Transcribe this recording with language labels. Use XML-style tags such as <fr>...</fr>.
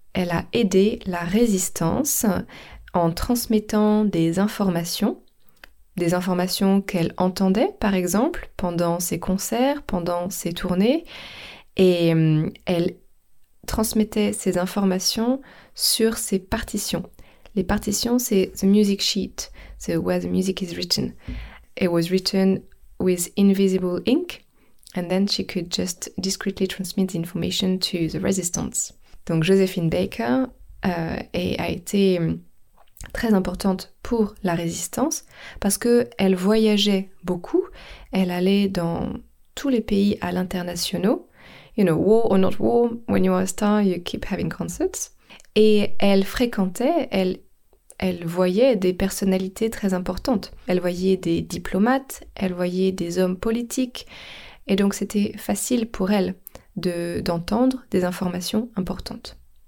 <fr>Elle a aidé la résistance en transmettant des informations qu'elle entendait, par exemple, pendant ses concerts, pendant ses tournées, et elle transmettait ces informations sur ses partitions. Les partitions, c'est</fr> <en>the music sheet,</en> <fr>c'est</fr> <en>where the music is written. It was written with invisible ink, and then she could just discreetly transmit the information to the resistance.</en> <fr>Donc Joséphine Baker a été très importante pour la résistance parce qu'elle voyageait beaucoup, elle allait dans tous les pays à l'international.</fr> <en>You know, war or not war, when you are a star, you keep having concerts.</en> <fr>Et elle fréquentait, elle voyait des personnalités très importantes. Elle voyait des diplomates, elle voyait des hommes politiques. Et donc c'était facile pour elle d'entendre des informations importantes.</fr>